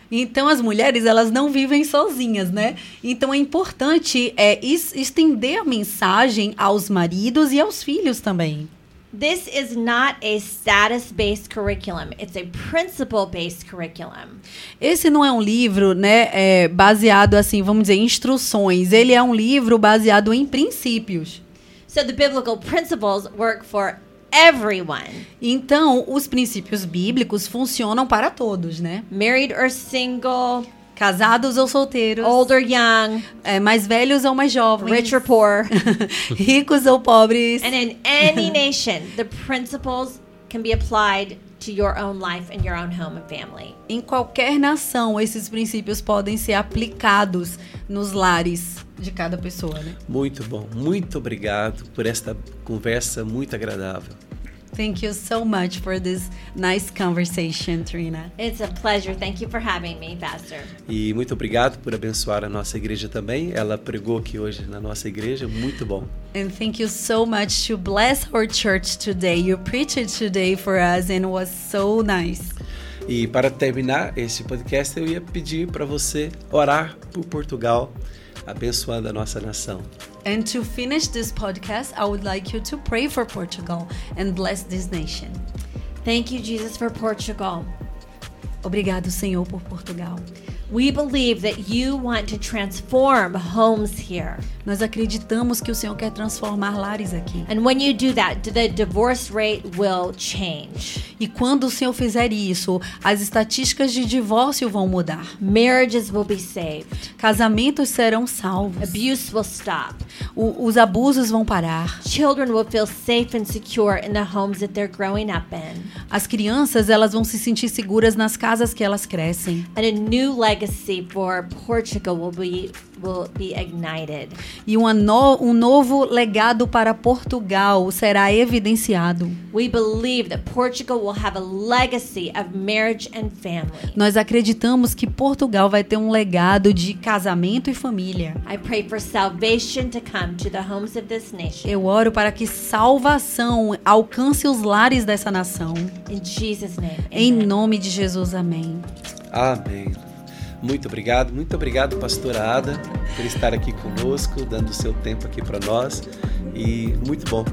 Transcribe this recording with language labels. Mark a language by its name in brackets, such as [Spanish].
[Portuguese] Então, as mulheres, elas não vivem sozinhas, né? Então, é importante estender a mensagem aos maridos e aos filhos também. [English] This is not a status-based curriculum. It's a principle-based curriculum. [Portuguese] Esse não é um livro, né, baseado, assim, vamos dizer, em instruções. Ele é um livro baseado em princípios. [English] So the biblical principles work for everyone. [Portuguese] Então, os princípios bíblicos funcionam para todos, né? [English] Married or single, [Portuguese] casados ou solteiros, [English] old or young, [Portuguese] é, mais velhos ou mais jovens, [English] rich or poor, [Portuguese] ricos ou pobres, [English] and in any nation, the principles can be applied to your own life and your own home and family. [Portuguese] Em qualquer nação, esses princípios podem ser aplicados nos lares de cada pessoa, né? Muito bom. Muito obrigado por esta conversa muito agradável. [English] Thank you so much for this nice conversation, Trina. It's a pleasure. Thank you for having me, Pastor. [Portuguese] E muito obrigado por abençoar a nossa igreja também. Ela pregou aqui hoje na nossa igreja. Muito bom. [English] And thank you so much to bless our church today. You preached today for us and it was so nice. [Portuguese] E para terminar esse podcast, eu ia pedir para você orar por Portugal, abençoando a nossa nação. [English] And to finish this podcast, I would like you to pray for Portugal and bless this nation. Thank you, Jesus, for Portugal. [Portuguese] Obrigado, Senhor, por Portugal. [English] We believe that you want to transform homes here. [Portuguese] Nós acreditamos que o Senhor quer transformar lares aqui. [English] And when you do that, the divorce rate will change. [Portuguese] E quando o Senhor fizer isso, as estatísticas de divórcio vão mudar. [English] Marriages will be saved. [Portuguese] Casamentos serão salvos. [English] Abuse will stop. [Portuguese] Os abusos vão parar. [English] Children will feel safe and secure in the homes that they're growing up in. [Portuguese] As crianças, elas vão se sentir seguras nas casas que elas crescem. [English] And a new legacy for Portugal will be ignited. [Portuguese] E um novo legado para Portugal será evidenciado. [English] We believe that Portugal will have a legacy of marriage and family. [Portuguese] Nós acreditamos que Portugal vai ter um legado de casamento e família. [English] I pray for salvation to come to the homes of this nation. [Portuguese] Eu oro para que salvação alcance os lares dessa nação. [English] In Jesus' name. [Portuguese] Em nome de Jesus, amém. Amém. Muito obrigado, pastora Ada, por estar aqui conosco, dando o seu tempo aqui para nós. E muito bom.